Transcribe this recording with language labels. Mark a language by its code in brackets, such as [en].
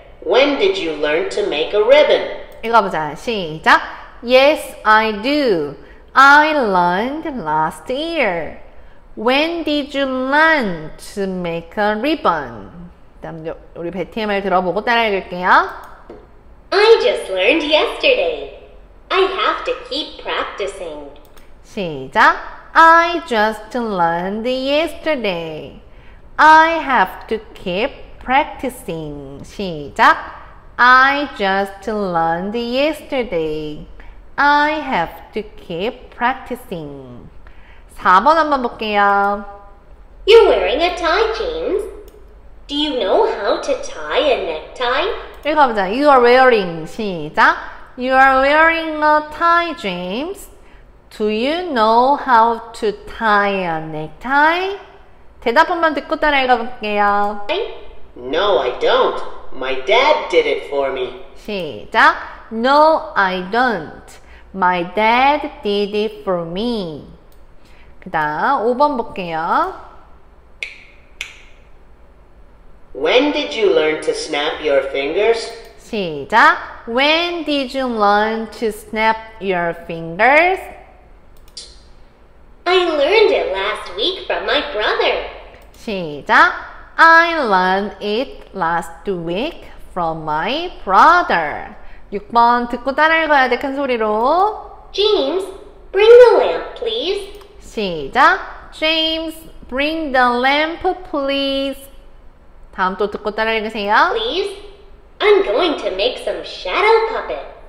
[en] When did you learn to make a ribbon? [ko] 읽어보자. 시작. [en] Yes, I do. I learned last year. When did you learn to make a ribbon? [ko] 다음 우리 베티의 말 들어보고 따라 읽을게요. [en] I just learned yesterday. I have to keep practicing. 시작. I just learned yesterday. I have to keep practicing. 시작. I just learned yesterday. I have to keep practicing. [ko] 4번 한번 볼게요. [en] You're wearing a tie, James. Do you know how to tie a necktie? 읽어보자. You are wearing. 시작. You are wearing a tie, James. Do you know how to tie a necktie? [ko] 대답 한번 듣고 따라 읽어볼게요. [en] No, I don't. My dad did it for me. 시작. No, I don't. My dad did it for me. [ko] 그 다음 5번 볼게요. [en] When did you learn to snap your fingers? [ko] 시작! [en] When did you learn to snap your fingers? I learned it last week from my brother. 시작! I learned it last week from my brother. [ko] 6번 듣고 따라 읽어야 돼, 큰 소리로. [en] James, bring the lamp, please. 시작! James, bring the lamp, please. [ko] 다음 또 듣고 따라 읽으세요. [en] Please, I'm going to make some shadow puppet.